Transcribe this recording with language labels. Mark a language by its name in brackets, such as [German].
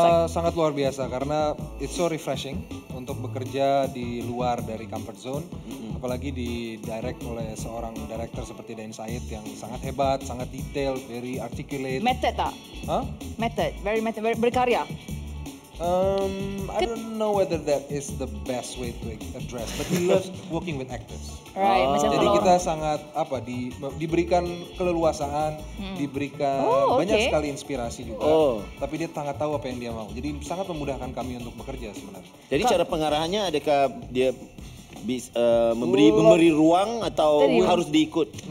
[Indonesian] Sangat luar biasa karena [English] it's so refreshing [Indonesian] untuk bekerja di luar dari comfort zone, apalagi di direct oleh seorang director seperti Dan Said yang sangat hebat, sangat detail, [English] very articulate. [Indonesian] Very berkarya. [English] I don't know whether that is the best way to address, but he loves working with actors. Right. [Indonesian] Jadi kita sangat apa diberikan keleluasaan, diberikan banyak sekali inspirasi juga. Tapi dia sangat tahu apa yang dia mau. Jadi sangat memudahkan kami untuk bekerja sebenarnya. Jadi cara pengarahannya, adakah dia memberi ruang atau harus diikut?